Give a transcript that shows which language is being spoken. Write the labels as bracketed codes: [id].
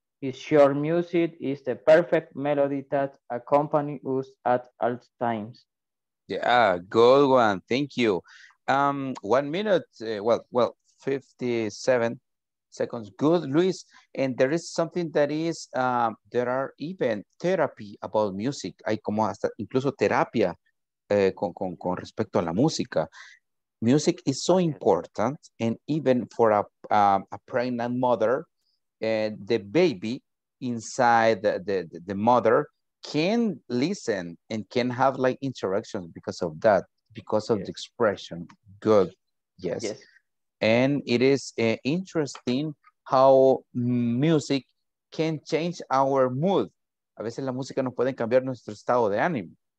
[en] Is your music is the perfect melody that accompany us at all times. Yeah, good one. Thank you. 1 minute, 57 seconds. Good, Luis. And there is something that is, there are even therapy about music. [es] Hay como hasta incluso terapia con respecto a la música. [en] Music is so important, and even for a pregnant mother, the baby inside the mother can listen and can have like interactions because of that, because of the expression. Good. Yes. And it is interesting how music can change our mood. [es] A veces la música nos puede cambiar nuestro estado de ánimo.